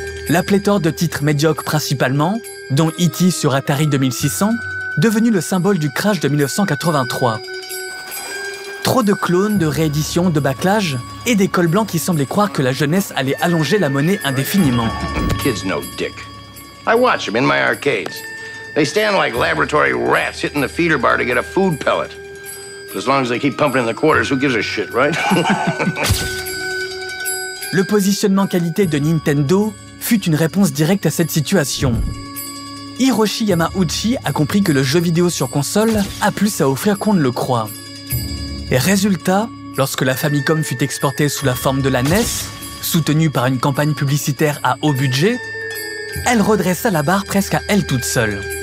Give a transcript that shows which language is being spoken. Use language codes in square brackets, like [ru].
[fr] La pléthore de titres médiocres principalement, dont E.T. sur Atari 2600, devenu le symbole du crash de 1983. Trop de clones, de rééditions, de backlash, et des cols blancs qui semblaient croire que la jeunesse allait allonger la monnaie indéfiniment. [en] Kids no dick. I watch them in my arcades. They stand like laboratory rats hitting the feeder bar to get a food pellet. But as long as they keep pumping in the quarters, who gives a shit, right? [fr] Le positionnement qualité de Nintendo fut une réponse directe à cette situation. Hiroshi Yamauchi a compris que le jeu vidéo sur console a plus à offrir qu'on ne le croit. Et résultat, lorsque la Famicom fut exportée sous la forme de la NES, soutenue par une campagne publicitaire à haut budget, elle redressa la barre presque à elle toute seule.